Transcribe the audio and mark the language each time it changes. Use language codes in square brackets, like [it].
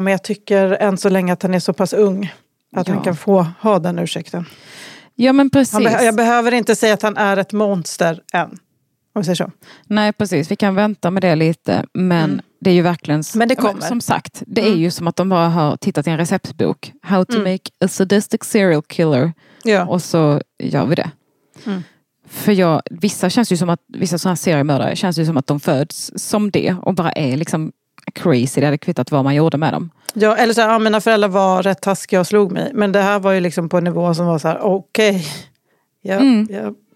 [sv] Men jag tycker än så länge att han är så pass ung att han kan få ha den ursäkten. Ja, men precis. Jag behöver inte säga att han är ett monster än, om vi säger så. Nej, precis. Vi kan vänta med det lite, men det är ju verkligen... Men det kommer. Som sagt, det är ju som att de bara har tittat i en receptbok. [en] How to make a sadistic serial killer. [sv] Ja. Och så gör vi det. Mm. För jag, vissa känns ju som att vissa sådana här seriemördare känns ju som att de föds som det och bara är liksom crazy. Det hade kvittat vad man gjorde med dem. Ja, eller så här, ja, mina föräldrar var rätt taskiga och slog mig. Men det här var ju liksom på en nivå som var så här, okej. [en] Okay. [sv] Ja, ja.